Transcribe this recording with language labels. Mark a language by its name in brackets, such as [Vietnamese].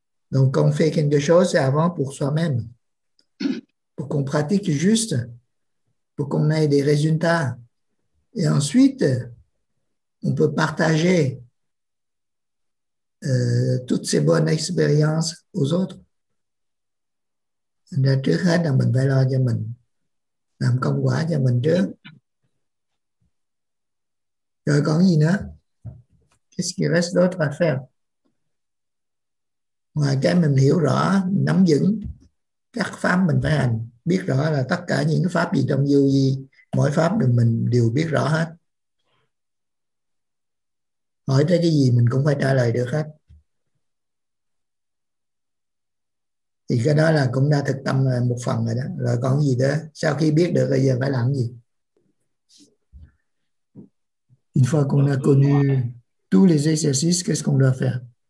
[French] Donc on fait quelque chose avant pour soi-même, pour qu'on pratique juste, pour qu'on ait des résultats. Et ensuite, on peut partager toutes ces bonnes expériences aux autres. [Vietnamese] Là trước hết là mình phải lo cho mình, làm công quả cho mình trước. Rồi còn gì nữa? [French] Qu'est-ce qu'il reste d'autre à faire? [Vietnamese] Ngoài cái mình hiểu rõ, nắm vững các pháp mình phải hành, biết rõ là tất cả những pháp gì trong vô vi, mỗi pháp mình đều biết rõ hết. Hỏi tới cái gì mình cũng phải trả lời được hết. Thì cái đó là cũng đã thực tâm một phần rồi đó. Rồi còn gì nữa? Sau khi biết được bây giờ phải làm gì? [French] Une fois qu'on a connu tous les exercices, qu'est-ce qu'on doit faire?